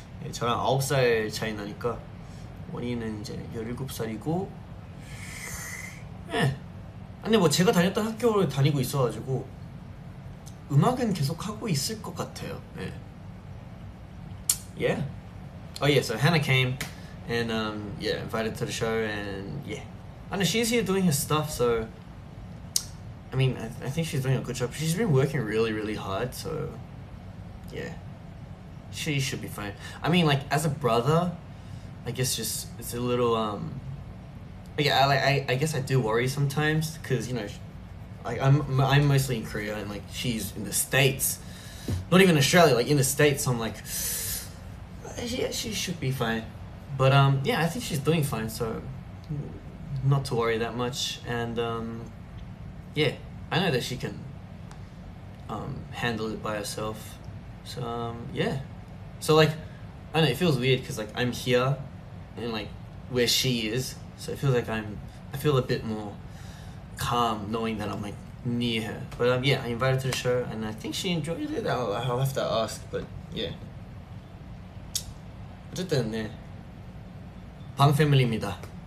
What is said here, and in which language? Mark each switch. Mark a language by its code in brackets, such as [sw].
[ko] 저랑 9살 차이 나니까 원희는 이제 17살이고 근데 뭐 제가 다녔던 학교를 다니고 있어가지고 음악은 계속 하고 있을 것 같아요. 네. [en] Yeah. Oh yeah. So Hannah came and yeah, invited to the show and yeah. And she's here doing her stuff. So I mean, I think she's doing a good job. She's been working really, really hard. So yeah, she should be fine. I mean, like as a brother, I guess just it's a little Yeah, I guess I do worry sometimes because you know, I'm mostly in Korea and like she's in the States, not even Australia, like in the States. So I'm like, yeah, she should be fine, but yeah, I think she's doing fine, so not to worry that much. And yeah, I know that she can handle it by herself. So yeah, so like I don't know, it feels weird because like I'm here and like where she is. So it feels like I feel a bit more calm knowing that I'm like near her. But yeah, I invited her to the show and I think she enjoyed it. I'll have to ask, but yeah. [ko] 어쨌든 네, 방 패밀리입니다.